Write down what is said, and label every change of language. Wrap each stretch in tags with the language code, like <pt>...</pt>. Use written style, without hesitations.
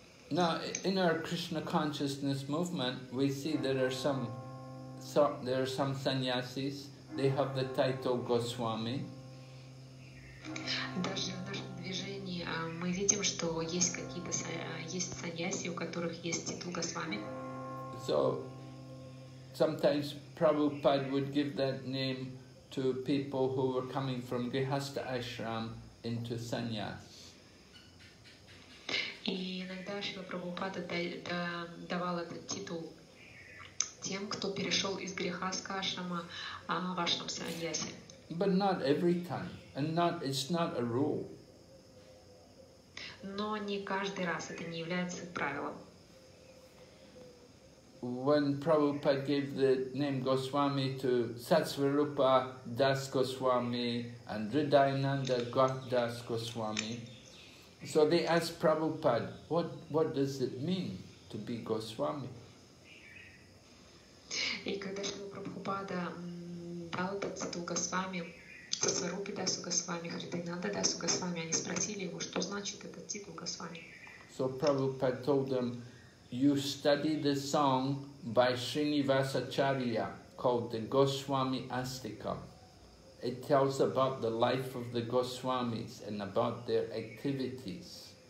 <en>Now, in our Krishna consciousness movement, we see there are some sannyasis, they have the title Goswami.</en> <ru>Даже в нашем движении мы видим, что есть какие-то есть саньяси, у которых есть титул Госвами.</ru> <en>So, sometimes Prabhupada would give that name to people who were coming from Grihastha Ashram into sannyas.</en> <ru>И иногда Шрила Прабхупада давал этот титул тем, кто перешел из Грихастха Ашрама в Ашрам Саньяси.</ru> <en>But not every time, and not it's not a rule.</en> <ru>Но не каждый раз, это не является правилом.</ru> <en>When Prabhupada gave the name Goswami to Satsvarupa Das Goswami and Hridayananda Das Goswami, so they asked Prabhupada, what does it mean to be Goswami?</en> <ru>И когда Шрила Прабхупада дал этот титул Госвами, Сатсварупе Дасу Госвами, Хридайнанда Дасу Госвами, они спросили его, что значит этот титул Госвами.</ru> <en>So Prabhupada told them, you study the song by Srinivasacharya called the Goswami Astikam. It tells about the life of the Goswamis and about their activities.</en>